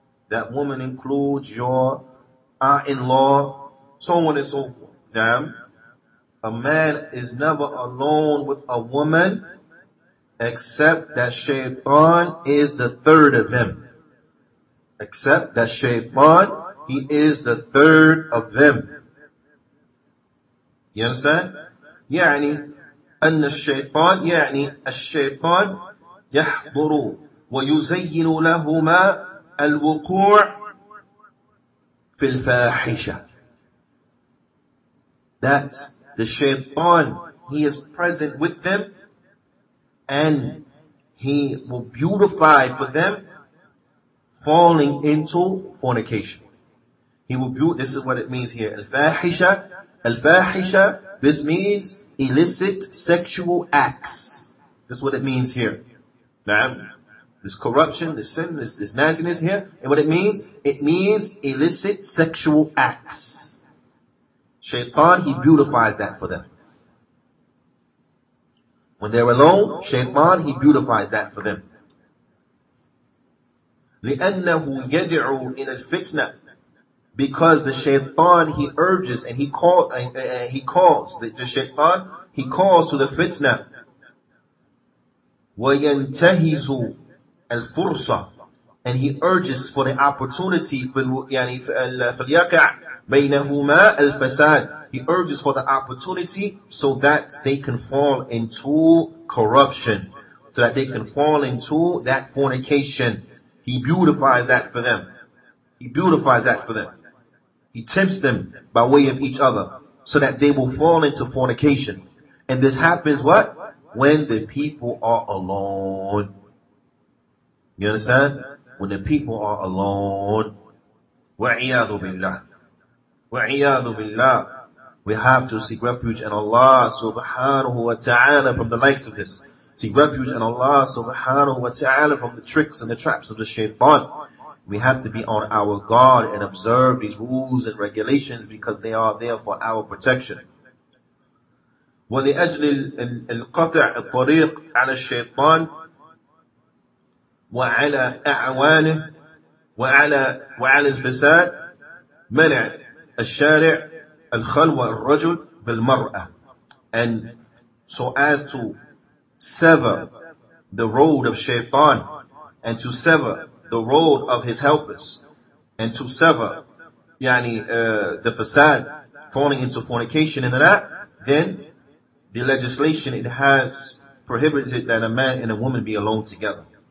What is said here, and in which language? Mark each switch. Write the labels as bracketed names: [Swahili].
[English] That woman includes your in-law, so on and so forth. Damn. A man is never alone with a woman, except that Shaytan is the third of them. Except that Shaytan, he is the third of them. You understand? [Arabic] يعني أن الشيطان يعني الشيطان يحضر ويزين لهما الوقوع في الفاحشة. [English] That the shaytan, he is present with them and he will beautify for them falling into fornication. He will be, this is what it means here. [Arabic] الفاحشة. الفاحشة, [English] this means illicit sexual acts. This is what it means here. Na'am. This corruption, this sin, this nastiness here. And what it means? It means illicit sexual acts. Shaytan, he beautifies that for them. When they're alone, Shaytan, he beautifies that for them. [Arabic] لِأَنَّهُ يَدْعُ إِلَى الْفِتْنَةِ. [English] Because the Shaytan, he urges and he calls to the fitna. [Arabic] وَيَنْتَهِزُ الْفُرْصَ. [English] And he urges for the opportunity, [Arabic] يعني فليقع بينهما الفساد. [English] He urges for the opportunity so that they can fall into corruption, so that they can fall into that fornication. He beautifies that for them. He beautifies that for them. He tempts them by way of each other so that they will fall into fornication. And this happens what? When the people are alone. You understand? When the people are alone. [Arabic] وَعِيَاذُ بِاللَّهِ وَعِيَاذُ بِاللَّهِ. [English] We have to seek refuge in Allah subhanahu wa ta'ala from the likes of this. Seek refuge in Allah subhanahu wa ta'ala from the tricks and the traps of the shaytan. We have to be on our guard and observe these rules and regulations because they are there for our protection. [Arabic] وَلِأَجْلِ الْقَطْعِ الطَّرِيقِ عَلَى الشَّيْطَانِ وعلى أعوانه وعلى الفساد منع الشارع الخلوة الرجل بالمرأة. [English] And so as to sever the road of Shaytan and to sever the road of his helpers and to sever the fasad falling into fornication and that, then the legislation, it has prohibited that a man and a woman be alone together.